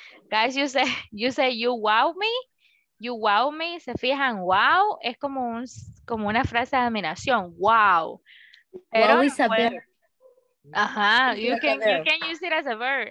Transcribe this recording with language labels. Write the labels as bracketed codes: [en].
[en] Guys, you say you wow me, you wow me. [es] Se fijan, wow, es como un, como una frase de admiración. [en] Wow. Pero wow is a verb. Ajá, you can use it as a verb.